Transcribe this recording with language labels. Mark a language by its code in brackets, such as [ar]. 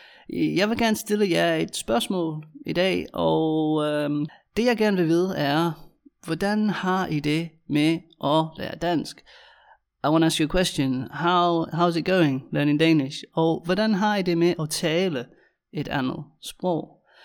[da] Jeg vil gerne stille jer et spørgsmål i dag, og det jeg gerne vil vide er, hvordan har I det med at lære dansk? [en] I want to ask you a question. How's it going learning Danish? [da] Og hvordan har I det med at tale et andet sprog?